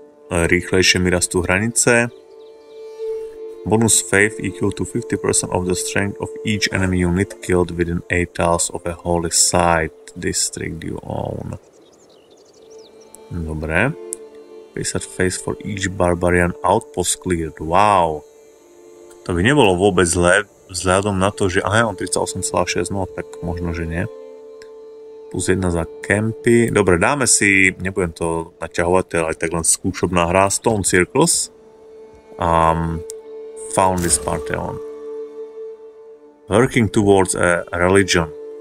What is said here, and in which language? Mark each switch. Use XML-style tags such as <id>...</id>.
<sk>Rýchlejšie mi rastú hranice.</sk> <en>Bonus faith equal to 50% of the strength of each enemy unit killed within 8 tiles of a holy site district you own.</en> <sk>Dobre.</sk> <en>Based faith for each barbarian outpost cleared.</en> <sk>Wow. To by nebolo vôbec zle, vzhľadom na to, že aha, on 38,6, no tak možno, že nie. Plus 1 za campy. Dobre, dáme si, nebudem to naťahovať, ale aj tak len skúšobná hra, Stone Circles.</sk> <en>Found this Pantheon. Working towards a religion.</en>